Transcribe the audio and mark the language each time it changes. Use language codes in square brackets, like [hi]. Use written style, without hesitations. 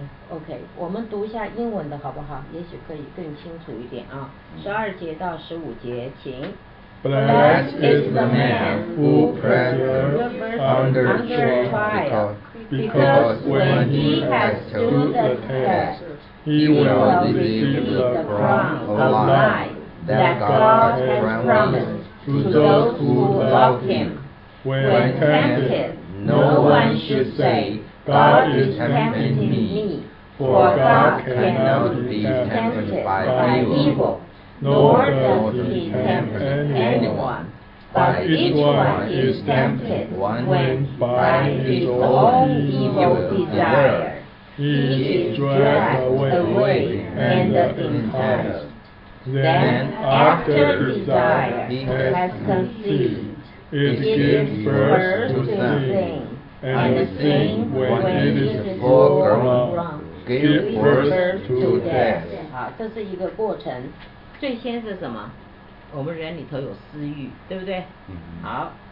[zh] OK， 我们读一下英文的好不好？也许可以更清楚一点啊。十二节到十五节，请。 [en] Blessed is the man who persevered under trial, because when he has stood the test, he will receive the crown of life that God has promised to those who love him. When tempted, no one should say,God is tempting me, for God cannot be tempted by evil, nor does he tempt anyone, but each one is tempted when by his own evil desire, he is dragged away and enticed. Then after desire has conceived, it gives birth to sin. And the thing when it is full grown, give birth to death. [zh] 好，这是一个过程。最先是什么？我们人里头有私欲，对不对？好，